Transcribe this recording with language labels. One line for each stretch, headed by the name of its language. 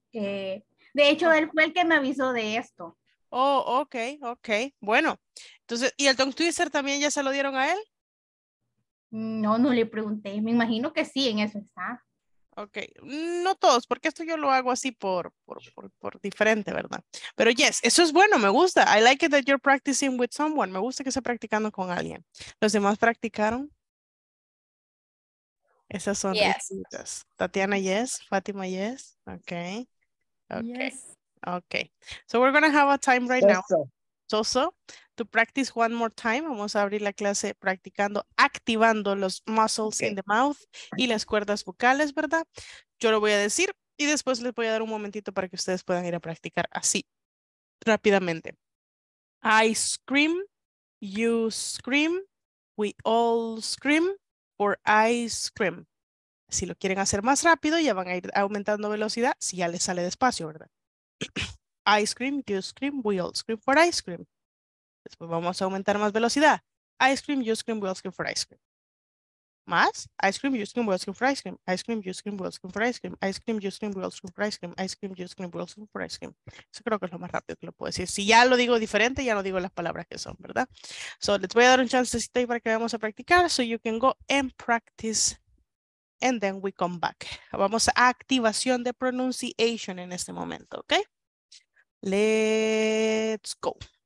Spanish: De hecho, él fue el que me avisó de esto. Oh, ok, ok. Bueno, entonces, ¿y el tongue twister también ya se lo dieron a él? No, no le pregunté. Me imagino que sí, en eso está. Ok, no todos, porque esto yo lo hago así por diferente, ¿verdad? Pero yes, eso es bueno, me gusta.
English: I like it that you're practicing with someone.
Spanish: Me gusta que esté practicando con alguien. ¿Los demás practicaron? Esas son
English: yes. Tatiana, yes. Fátima, yes. Okay. Okay. Yes. Okay. So we're going to have a time right now. Soso, to practice one more time.
Spanish: Vamos a abrir la clase practicando, activando los
English: muscles in the mouth
Spanish: y las cuerdas vocales, ¿verdad? Yo lo voy a decir y después les voy a dar un momentito para que ustedes puedan ir a practicar así, rápidamente.
English: I scream, you scream, we all scream. For ice cream.
Spanish: Si lo quieren hacer más rápido, ya van a ir aumentando velocidad si ya les sale despacio, ¿verdad?
English: Ice cream, you scream, we all scream for ice cream.
Spanish: Después vamos a aumentar más velocidad.
English: Ice cream, you scream, we all scream for ice cream. Más. Ice cream, you scream, we all scream for ice cream. Ice cream, you scream, we all scream for ice cream. Ice cream, you scream, we all scream for ice cream. Ice cream, you scream, we all scream for ice cream.
Spanish: Eso creo que es lo más rápido que lo puedo decir. Si ya lo digo diferente, ya no digo las palabras que son, ¿verdad? So, les voy a dar un chancecito ahí para que vayamos a practicar.
English: So, you can go and practice and then we come back.
Spanish: Vamos a activación de pronunciation en este momento, ¿ok?
English: Let's go.